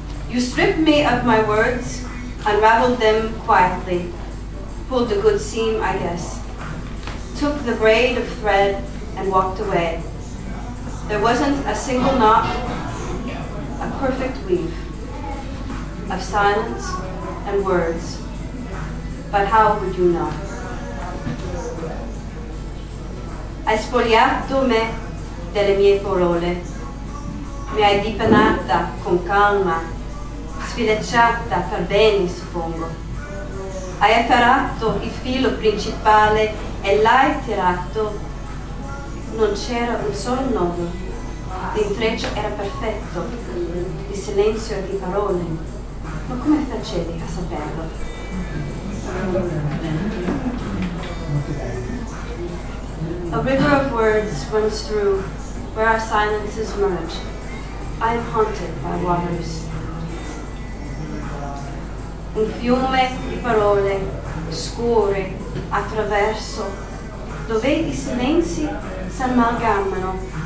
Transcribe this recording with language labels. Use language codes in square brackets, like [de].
[en] You stripped me of my words, unraveled them quietly, pulled a good seam, I guess, took the braid of thread and walked away. There wasn't a single knot, a perfect weave of silence and words, but how would you know? [it] Hai spogliato me delle mie parole, mi hai dipanata con calma, sfilacciata per bene, suppongo. Hai afferrato il filo principale e l'hai tirato, non c'era un solo nodo, l'intreccio era perfetto, il silenzio di parole, ma come facevi a saperlo? [en] A river of words runs through where our silences merge. I am haunted by waters. [it] Un fiume di parole scorre attraverso dove i silenzi si amalgamano.